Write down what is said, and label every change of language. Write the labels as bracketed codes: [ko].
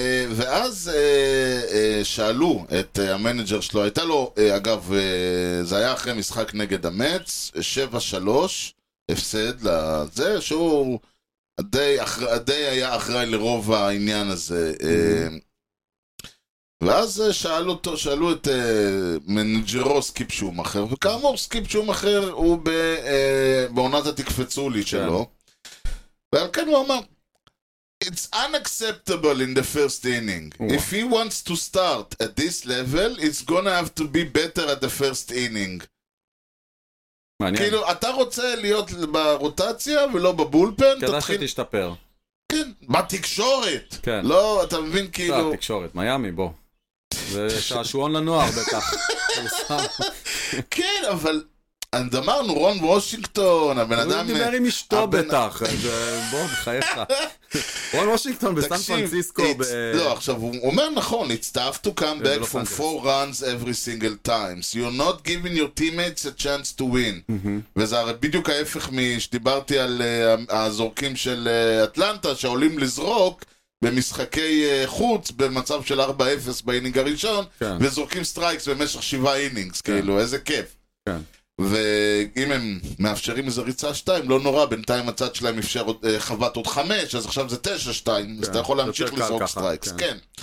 [he] ואז שאלו את המנג'ר שלו, הייתה לו, אגב, זה היה אחרי משחק נגד המץ, 7-3, הפסד לזה, שהוא די היה אחראי לרוב העניין הזה. ואז שאלו את מנג'רו סקיפ שום אחר, וכאמור סקיפ שום אחר הוא בעונת התקפצו לי שלו. ועל כן הוא אמר, [en] it's unacceptable in the first inning. If he wants to start at this level, it's gonna have to be better at the first inning. [he] מעניין. כאילו, אתה רוצה להיות ברוטציה ולא בבולפן, תתחיל... כדאי שתשתפר. כן, בתקשורת. כן. לא, אתה מבין כאילו... לא, תקשורת, מיאמי, בוא. זה שעשועון לנוער בטח. כן, אבל... אז אמרנו, רון וושינגטון, הבן אדם... הוא דיבר עם אשתו בטח, אז בוא, בחייך. רון וושינגטון בסן פרנסיסקו... לא, עכשיו, הוא אומר נכון, [en] it's tough to come back from four runs every single time. You're not giving your teammates a chance to win. [he] וזה הרי בדיוק ההפך משדיברתי על הזורקים של אטלנטה, שעולים לזרוק במשחקי חוץ, במצב של 4-0 באינינג הראשון, וזורקים סטרייקס במשך 7 אינינגס, כאילו, איזה כיף. כן. ואם הם מאפשרים איזה ריצה 2, לא נורא, בינתיים הצד שלהם אפשר חוות עוד 5, אז עכשיו זה 9-2, אז אתה יכול להמשיך לזרוק סטרייקס, כן.